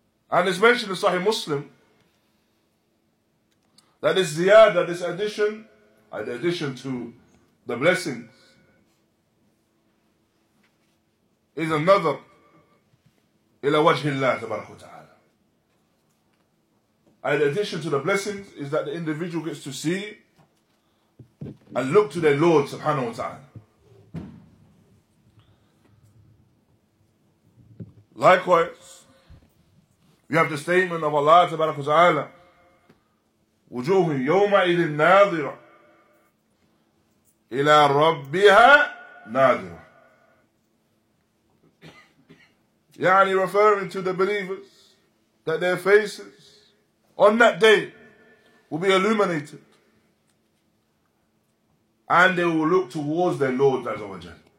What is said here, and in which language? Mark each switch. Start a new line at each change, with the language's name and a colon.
English: And it's mentioned in Sahih Muslim that this ziyada, this addition, an addition to the blessings, is another
Arabic: ila wajhillah tabaraka ta'ala.
English: An addition to the blessings is that the individual gets to see and look to their Lord subhanahu wa ta'ala. Likewise, we have the statement of Allah tabaraka ta'ala,
Arabic: وجوه يوم إذ الناظرة إلى ربها ناظرة.
English: يعني referring to the believers that their faces on that day will be illuminated and they will look towards their Lord Azza wa Jal.